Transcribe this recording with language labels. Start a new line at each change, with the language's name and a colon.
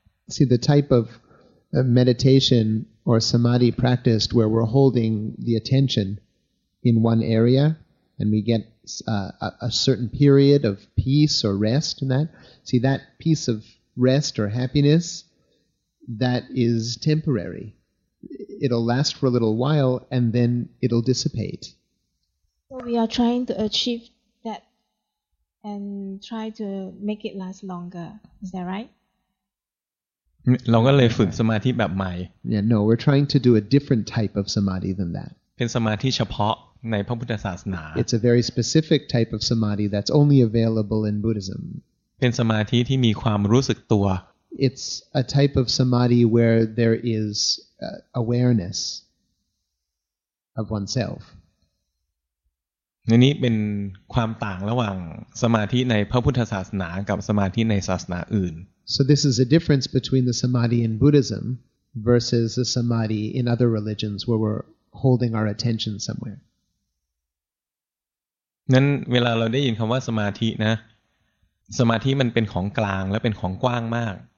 English: See the type of meditation or samadhi practiced where we're holding the attention in one area and we get a certain period of peace or rest in that See that piece of rest or happinessthat is temporary it'll last for a little while and then it'll dissipate so we are trying to achieve that and try to make it last longer is that right
Thai: เราก็เลยฝึกสมาธิแบบใหม่
English: yeah no we're trying to do a different type of samadhi than that
Thai: เป็นสมาธิเฉพาะในพระพุทธศาสนา
English: it's a very specific type of samadhi that's only available in buddhism
Thai: เป็นสมาธิที่มีความรู้สึกตัว
English: It's a type of samadhi where there is awareness of oneself.
Thai: นี่เป็นความต่างระหว่างสมาธิในพระพุทธศาสนากับสมาธิในศาสนาอื่น
English: So this is a difference between the samadhi in Buddhism versus the samadhi in other religions where we're holding our attention somewhere.
Thai: นั้นเวลาเราได้ยินคำว่าสมาธินะสมาธิมันเป็นของกลางและเป็นของกว้างมาก